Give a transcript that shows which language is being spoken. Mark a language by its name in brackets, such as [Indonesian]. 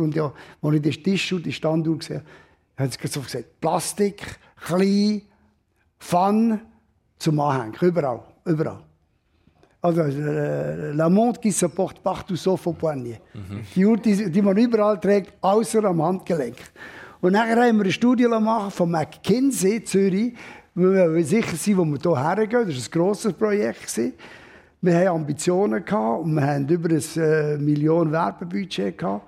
[German] Und ja, als ich das Tischuhr, die Standuhr gesehen habe, haben sie gesagt, Plastik, klein, Fun, zum Anhängen, überall, überall. [French] Also, La Montre qui se porte partout sauf au poignet. Mhm. [German] Die Uhr, die man überall trägt, außer am Handgelenk. Und nachher haben wir ein Studio gemacht von McKinsey Zürich, wo wir sicher sind, wo wir hier hergehen. Das war ein grosses Projekt. Wir hatten Ambitionen und wir hatten über 1 Million Werbebudget.